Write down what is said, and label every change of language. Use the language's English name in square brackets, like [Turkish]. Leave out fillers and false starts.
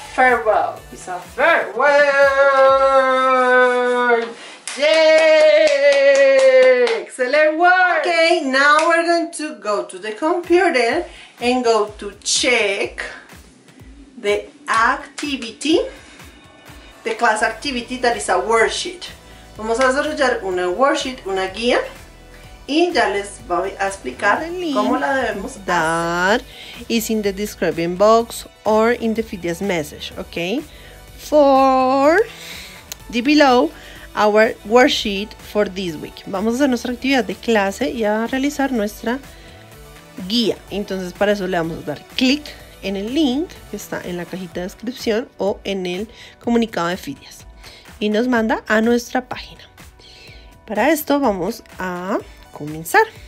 [English] farewell. It's a farewell. Yay! Excellent work. Okay, now we're going to go to the computer and go to check the activity, the class activity that is a worksheet. [Spanish] Vamos a desarrollar una worksheet, una guía, y ya les voy a explicar cómo la debemos [English] dar. Is in the description box or in the FIDIAS message, okay? For the below our worksheet for this week. [Spanish] Vamos a hacer nuestra actividad de clase y a realizar nuestra guía. Entonces, para eso le vamos a dar clic en el link que está en la cajita de descripción o en el comunicado de FIDIAS. Y nos manda a nuestra página. Para esto vamos a comenzar.